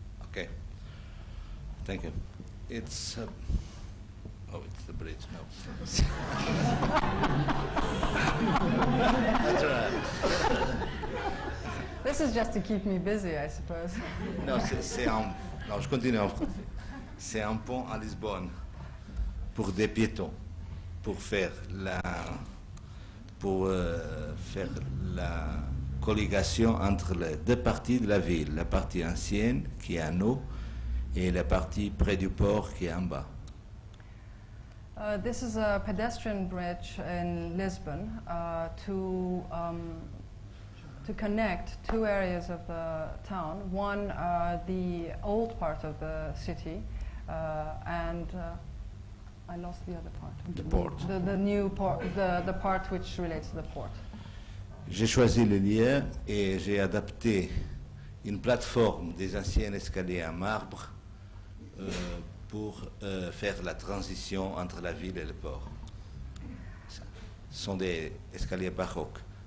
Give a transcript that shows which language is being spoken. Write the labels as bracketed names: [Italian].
[English] Okay. Thank you. It's it's the bridge now. That's right. This is just to keep me busy, I suppose. [French] No, je continue en français. C'est un pont à Lisbonne pour des piétons, pour faire la colligation entre les deux parties de la ville, la partie ancienne qui est en haut. Et la partie près du port qui est en bas. [English] This is a pedestrian bridge in Lisbon to connect two areas of the town. One, the old part of the city, and I lost the other part. The port. The new port. The part which relates to the port. [French] J'ai choisi le lien et j'ai adapté une plateforme des anciens escaliers en marbre. Pour faire la transition entre la ville et le port. Ce sont des escaliers baroques.